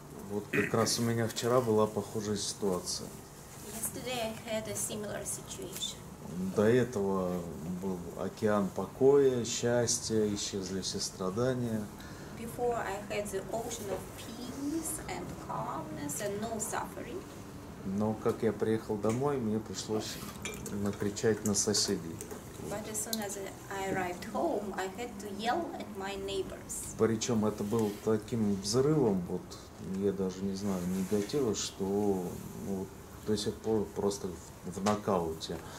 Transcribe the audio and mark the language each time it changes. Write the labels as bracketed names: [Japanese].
[Russian] Вот как раз у меня вчера была похожая ситуация. [English] Yesterday I had a similar situation. [Russian] до этого был океан покоя, счастья, исчезли все страдания. [English] Before I had the ocean of peace and calmness and no suffering. [Russian] Но как я приехал домой, мне пришлось накричать на соседей. [English] But as soon as I arrived home, I had to yell at my neighbors. [Russian] Причем это был таким взрывом, вот я даже не знаю, негатива, что ну, до сих пор просто в нокауте.